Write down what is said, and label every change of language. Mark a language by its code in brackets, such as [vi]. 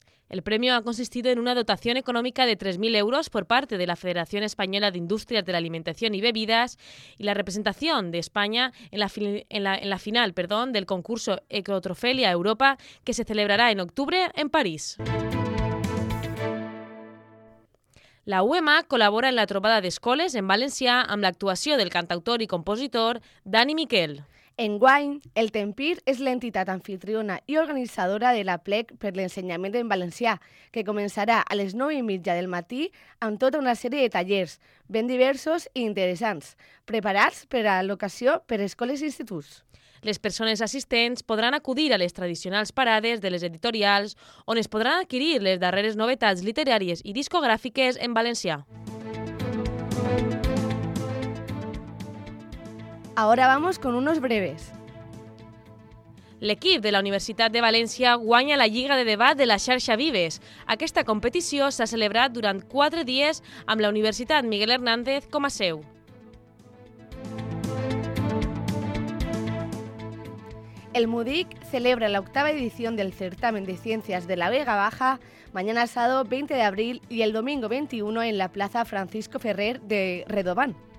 [es] El premio ha consistido en una dotación económica de 3.000 euros por parte de la Federación Española de Industrias de la Alimentación y Bebidas y la representación de España en la final del concurso Ecotrofilia Europa, que se celebrará en octubre en París. [ca] La UEMA colabora en la trobada de escoles en València amb l'actuació del cantautor i compositor Dani Miquel. Enguany, el Tempir és l'entitat anfitriona i organitzadora de la Plec per l'ensenyament en valencià, que començarà a les 9:30 del matí amb tota una sèrie de tallers ben diversos i interessants, preparats per a l'ocasió per escoles i instituts. Les persones assistents podran acudir a les tradicionals parades de les editorials, on es podran adquirir les darreres novetats literàries i discogràfiques en valencià. [es] Ahora vamos con unos breves. [ca] L'equip de la Universitat de València guanya la Lliga de Debat de la xarxa Vives. Aquesta competició s'ha celebrat durant 4 dies amb la Universitat Miguel Hernández com a seu. [es] El MUDIC celebra la 8ª edición del Certamen de Ciencias de la Vega Baja mañana sábado 20 de abril y el domingo 21 en la Plaza Francisco Ferrer de Redován.